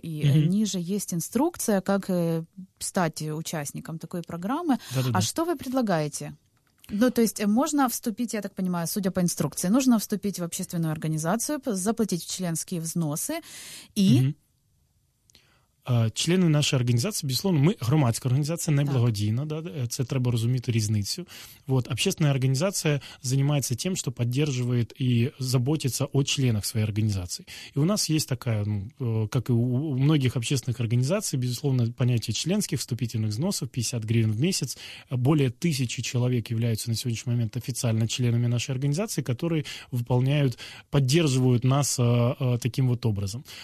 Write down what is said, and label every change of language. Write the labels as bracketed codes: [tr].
[ru] И ниже есть инструкция, как стать участником такой программы. Да-да-да. А что вы предлагаете? Ну, то есть можно вступить, я так понимаю, судя по инструкции, нужно вступить в общественную организацию, заплатить членские взносы и... [uk] Члени нашої організації, [ru] безусловно, [uk] ми громадська організація, не благодійна, да, це треба розуміти різницю. [ru] Вот, общественная организация занимается тем, что поддерживает и заботится о членах своей организации. И у нас есть такая, ну, как и у многих общественных организаций, безусловно, понятие членских вступительных взносов 50 гривен в месяц. Более 1000 человек являются на сегодняшний момент официально членами нашей организации, которые выполняют, поддерживают нас таким вот образом.